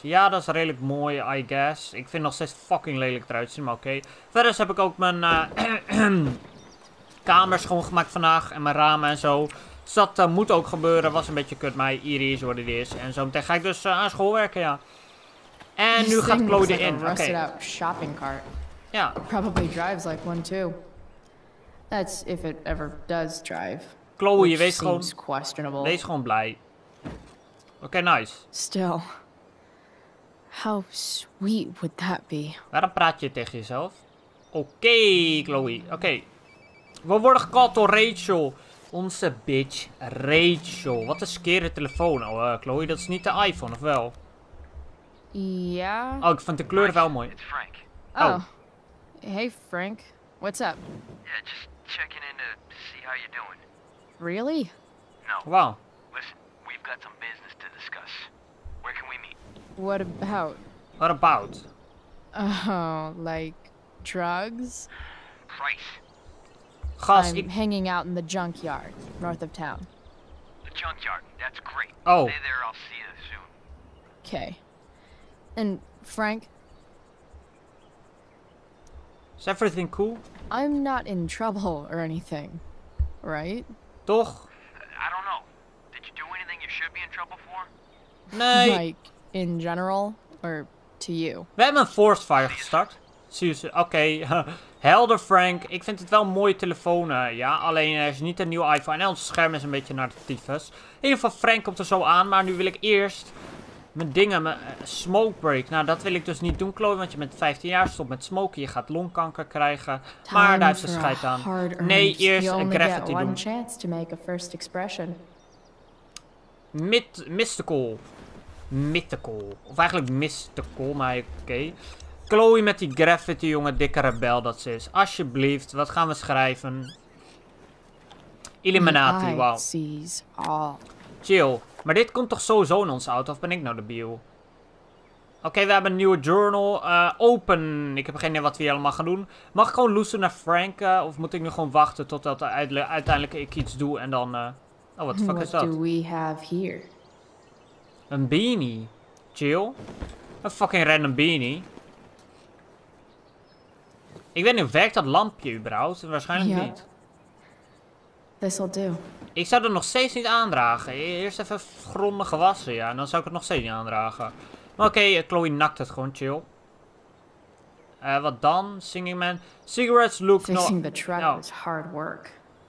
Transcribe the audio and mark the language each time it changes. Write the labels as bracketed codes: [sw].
[nl] Ja, dat is redelijk mooi, [en] I guess. [nl] Ik vind het nog steeds fucking lelijk eruit zien, maar oké. Verder heb ik ook mijn kamer schoongemaakt vandaag. En mijn ramen en zo. Dus dat moet ook gebeuren. Was een beetje kut, maar hier is wat het is. En zo meteen ga ik dus aan school werken, ja. En [en] this [nl] nu gaat Chloe [en] like [nl] erin. [en] Okay. Rusted out shopping cart. [nl] Ja. [en] Probably drives like one too. That's if it ever does drive. [nl] Chloe, je wees gewoon. Wees gewoon blij. Oké, okay, nice. [en] Still. How sweet would that be? [nl] Waarom praat je tegen jezelf? Oké, Chloe. Oké. We worden gecalled door Rachel. Onze bitch Rachel. Wat een skere telefoon. Oh, Chloe, dat is niet de iPhone, of wel? Ja. Oh, ik vind de kleur wel mooi. [en] It's Frank. Oh. Hey, Frank. What's up? Yeah, just checking in to see how you're doing. Really? No. Wow. Listen, we've got some business to discuss. Where can we meet? What about? What about? Oh, like drugs? Christ. Gas, I'm hanging out in the junkyard, north of town. The junkyard, that's great. Oh. Stay there, I'll see you soon. Okay. And Frank? Is everything cool? I'm not in trouble or anything, right? [nl] Toch? [en] I don't know. Did you do anything you should be in trouble for? [nl] Nee. [en] Like, in general, or to you? [nl] We hebben een forest fire gestart. Oké. Okay. Helder, Frank. Ik vind het wel een mooie telefoon, ja. Alleen er is niet een nieuwe iPhone. En ons scherm is een beetje naar de tyfus. In ieder geval, Frank komt er zo aan. Maar nu wil ik eerst mijn dingen, mijn smoke break. Nou, dat wil ik dus niet doen, Chloe. Want je bent 15 jaar, stopt met smoken. Je gaat longkanker krijgen. [en] Time [nl] maar daar heeft ze scheid aan. Nee, eerst een graffiti doen. [en] Chance to make a first expression. Mystical. Mythical. [nl] Of eigenlijk mystical, maar oké. Okay. Chloe met die graffiti, jongen. Dikke rebel dat ze is. Alsjeblieft, wat gaan we schrijven? Illuminati, wow. Chill. Maar dit komt toch sowieso in onze auto? Of ben ik nou de bio? Oké, we hebben een nieuwe journal. Open. Ik heb geen idee wat we hier allemaal gaan doen. Mag ik gewoon loesten naar Frank? Of moet ik nu gewoon wachten totdat uiteindelijk ik iets doe en dan... [en] Oh, what the fuck what [nl] is dat? [en] Do we have here? [nl] Een beanie. Chill. Een fucking random beanie. Ik weet niet, werkt dat lampje überhaupt? Waarschijnlijk niet. [en] This will do. [nl] Ik zou het nog steeds niet aandragen. Eerst even grondig gewassen, ja. En dan zou ik het nog steeds niet aandragen. Maar oké, okay, Chloe nakt het gewoon, chill. [en] Wat dan? Singing Man. Cigarettes look fixing no... Fixing the truck is hard work.